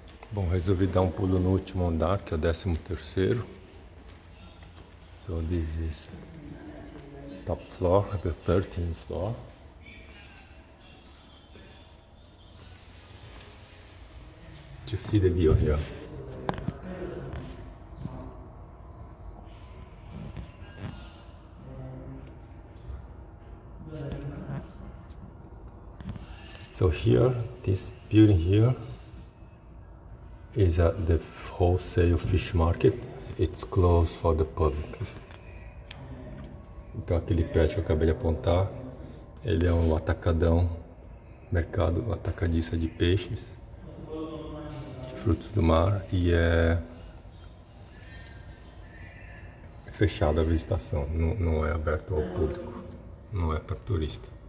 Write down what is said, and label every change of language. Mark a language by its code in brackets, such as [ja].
[pt] Bom, resolvi dar um pulo no último andar, que é o 13º. [en] So this is top floor, the 13th floor. To see the view here. So here, this building here is at the wholesale fish market. It's closed for the public. [pt] Então aquele prédio que eu acabei de apontar, ele é um atacadão, mercado atacadista de peixes, frutos do mar, e é fechado a visitação, não é aberto ao público, não é para turista.